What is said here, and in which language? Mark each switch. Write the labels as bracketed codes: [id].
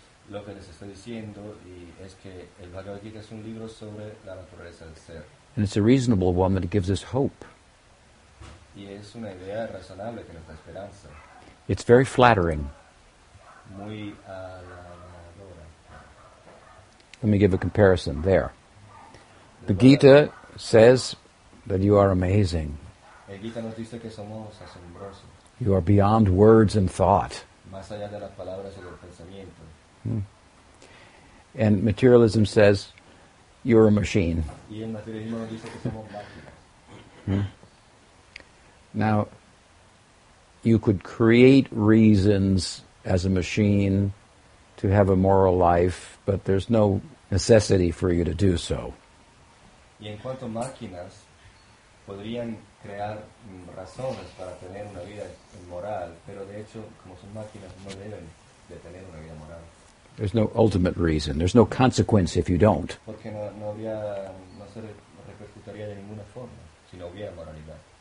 [es] Lo que les estoy diciendo es que el Bhagavad Gita es un libro sobre la naturaleza del ser. [en] And it's a reasonable one that gives us hope. [es] Y es una idea razonable que nos da esperanza. [en] It's very flattering. [es] Muy alabadora. [en] Let me give a comparison there. The Gita says that you are amazing. [es] El Gita nos dice que somos asombrosos. [en] You are beyond words and thought. [es] Más allá de las palabras y del pensamiento. [en] And materialism says you're a machine. [es] Y el materialismo nos dice que somos máquinas. [en] Now, you could create reasons as a machine to have a moral life, but there's no necessity for you to do so. [es] Y en cuanto a máquinas, podrían crear razones para tener una vida moral, pero de hecho, como son máquinas, no deben de tener una vida moral. [en] There's no ultimate reason. There's no consequence if you don't. [es] Porque no se repercutiría de ninguna forma si no hubiera moralidad.